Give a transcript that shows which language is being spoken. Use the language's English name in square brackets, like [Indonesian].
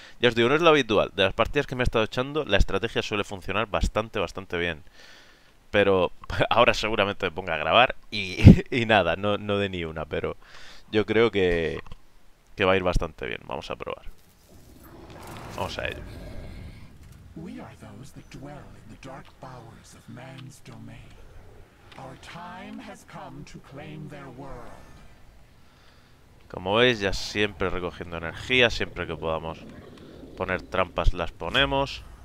[Spanish] Ya os digo, no es lo habitual, de las partidas que me he estado echando la estrategia suele funcionar bastante, bastante bien. Pero ahora seguramente me ponga a grabar y nada, no de ni una, pero yo creo que va a ir bastante bien. Vamos a probar. Vamos a ello. [English] We are those that dwell in the dark bowers of man's domain. Our time has come to claim their world. [Spanish] Como veis, ya siempre recogiendo energía, siempre que podamos poner trampas las ponemos.